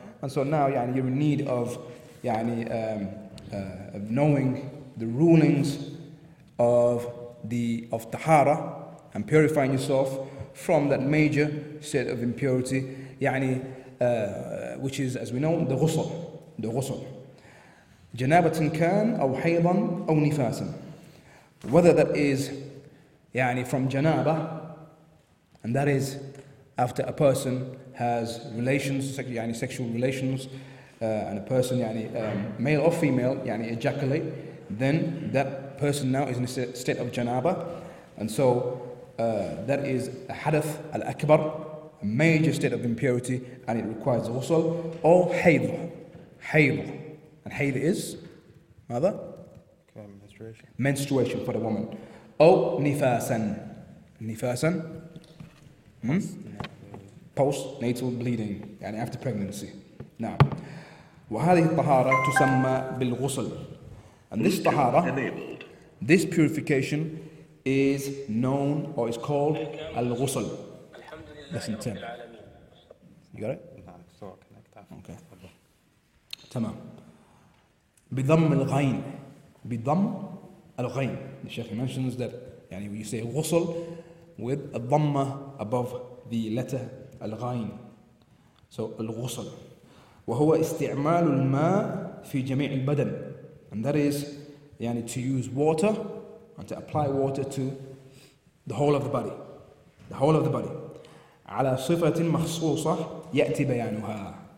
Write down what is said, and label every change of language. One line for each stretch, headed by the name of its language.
English: And so now
Arabic: يعني,
English: you're in need of يعني, of knowing the rulings of tahara and purifying yourself from that major set of impurity, يعني, which is, as we know, the ghusl.
Arabic: جنابة كان أو حيضا أو نفاسا.
English: Whether that is
Arabic: يعني
English: from جنابة, and that is after a person has relations, يعني sexual relations, and a person يعني male or female يعني ejaculate, then that person now is in a state of جنابة. And so that is a حدث الأكبر, a major state of impurity, and it requires غسل. Or حيض. And hayd is mother. Okay, Menstruation for the woman. Oh, nifasan. Nifasan? Postnatal bleeding, and after pregnancy. Now,
Arabic: وهذه الطهارة تسمى بالغسل.
English: And this tahara, this purification is known or is called al-ghusl. That's in term. You got it? Okay.
Arabic: تمام. بضم الغين. بضم الغين.
English: The Sheikh mentions that
Arabic: يعني
English: when you say ghusl with a dhamma above the letter الغين. So الغسل.
Arabic: وهو استعمال الماء في جميع البدن.
English: And that is يعني to use water and to apply water to the whole of the body. The whole of the body.
Arabic: على صفة مخصوصة يأتي بيانها.